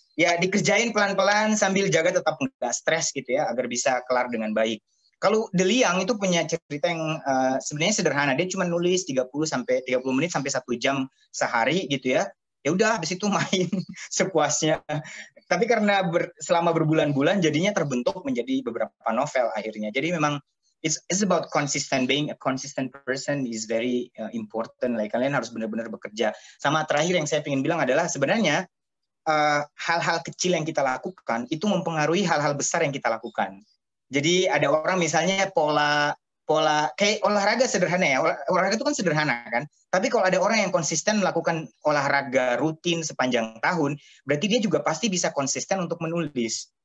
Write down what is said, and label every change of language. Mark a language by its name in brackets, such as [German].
[Indonesian] Ya dikerjain pelan-pelan sambil jaga tetap nggak stres gitu ya, agar bisa kelar dengan baik. Kalau De Liang itu punya cerita yang sebenarnya sederhana, dia cuma nulis 30 menit sampai 1 jam sehari gitu ya. Ya udah habis itu main sepuasnya. Tapi karena selama berbulan-bulan jadinya terbentuk menjadi beberapa novel akhirnya. Jadi memang [English] it's about consistent, being a consistent person is very important. [Indonesian] Like, kalian harus benar-benar bekerja. Sama terakhir yang saya ingin bilang adalah sebenarnya hal-hal kecil yang kita lakukan itu mempengaruhi hal-hal besar yang kita lakukan. Jadi ada orang misalnya pola kayak olahraga sederhana ya, olahraga itu kan sederhana kan, tapi kalau ada orang yang konsisten melakukan olahraga rutin sepanjang tahun, berarti dia juga pasti bisa konsisten untuk menulis.